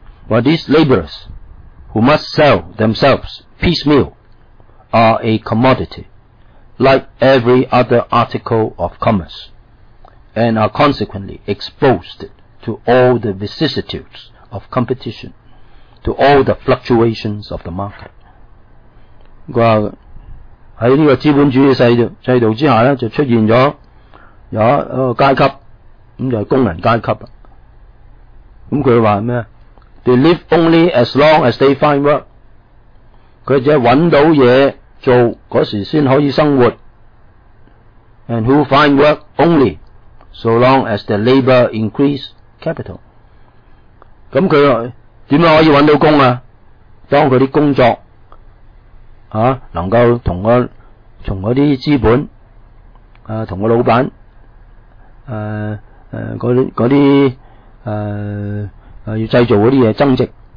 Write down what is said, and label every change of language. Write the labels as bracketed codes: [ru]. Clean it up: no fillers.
[en] But these laborers who must sell themselves piecemeal are a commodity like every other article of commerce and are consequently exposed to all the vicissitudes of competition, to all the fluctuations of the market. [yue] 话喺呢个资本主义制度之下咧，就出现咗有一个阶级，咁就系工人阶级。咁佢话咩 [en] ？They live only as long as they find work。 [yue] 佢只揾到嘢做嗰时先可以生活。 [en] And who find work only so long as the labor increase capital。 [yue] 咁佢点样可以揾到工啊？当佢啲工作啊能够同个从嗰啲资本啊同个老板嗰啲要制造嗰啲嘢增值。